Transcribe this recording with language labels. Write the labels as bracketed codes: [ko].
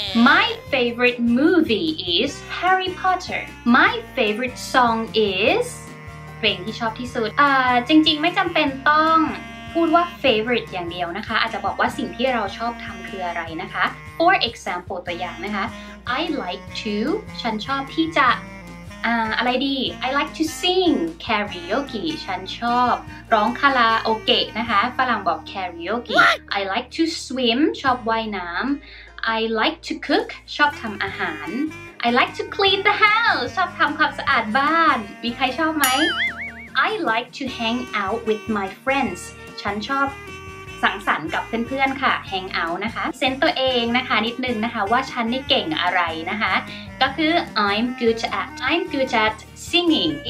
[en] my favorite movie is Harry Potter my favorite song is [th] เพลงที่ชอบที่สุดจริงๆไม่จำเป็นต้องพูดว่า favorite อย่างเดียวนะคะอาจจะบอกว่าสิ่งที่เราชอบทำคืออะไรนะคะ [en] for example [th] ตัวอย่างนะคะ [en] I like to [th] ฉันชอบที่จะอะไรดี [en] I like to sing karaoke [th] ฉันชอบร้องคาราโอเกะนะคะฝรั่งบอก karaoke [en] What? I like to swim [th] ชอบว่ายน้ำ [en] I like to cook [th] ชอบทำอาหาร [en] I like to clean the house. [th] ชอบทำความสะอาดบ้าน มีใครชอบไหม [en] I like to hang out with my friends. [th] ฉันชอบสังสรรค์กับเพื่อนๆค่ะ hang out นะคะ เซ็นตัวเองนะคะนิดนึงนะคะว่าฉันนี่เก่งอะไรนะคะก็คือ [en] I'm good at singing.